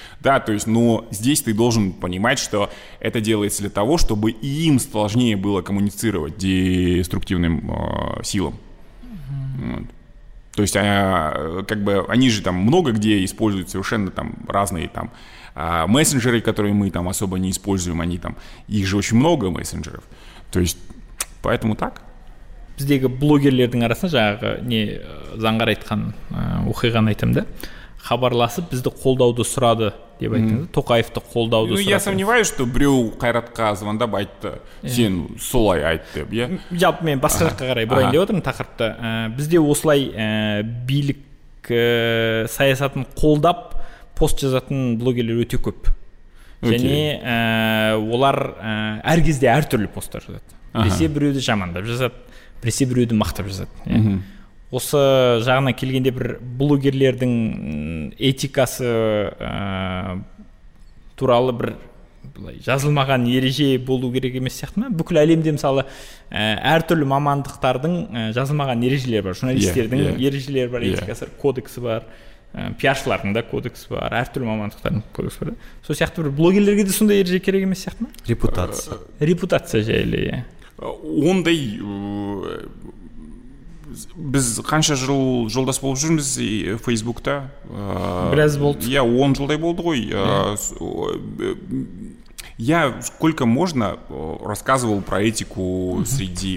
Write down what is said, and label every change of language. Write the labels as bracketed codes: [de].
[ru] Да, то есть, но здесь ты должен понимать, что это делается для того, чтобы им сложнее было коммуницировать деструктивным силам. Вот. То есть, как бы, они же там много где используют совершенно там разные там... мессенджеры, которые мы там особо не используем, они там, их же очень много мессенджеров, то есть поэтому так. [kk] Біздегі блогерлердің арасында жаңағы не заңғар айтқан оқиғаны айтам да, хабарласып бізді қолдауды сұрады деп айтыңыз, Тоқаевты қолдауды сұрады. [ru] Я сомневаюсь, что [kk] біреу Қайратқа звондап айтты, сен солай айт деп, иә? Жалпы мен басқа жаққа қарай бұрайын деп отырмын тақырыпты. Бізде осылай билік саясатын қолдап пост жазатын блогерлер өте көп. Okay. Және олар әр кезде әр түрлі посттар жазады. Біресе біреуді жамандап жазады, біресе біреуді мақтап жазады. Yeah. Mm-hmm. Осы жағына келгенде бір блогерлердің этикасы туралы бір былай, жазылмаған ереже болу керек емес сияқты ма? Бүкіл әлемде мысалы әр түрлі мамандықтардың жазылмаған ережелері бар. Журналистердің ережелері бар, этикасы бар, кодексі бар. Пиаршылардың да кодексі бар, әртүрлі мамандықтардың кодексі бар. Сол сияқты бір блогерлерге де сондай ереже керек емес сияқты ма? Репутация. Репутация жайлы. Ондай біз қанша жыл жолдас болып жүрміз Facebook-та? Біраз болды. Я 10 жылдай болды ғой. [ru] Я сколько можно рассказывал про этику среди...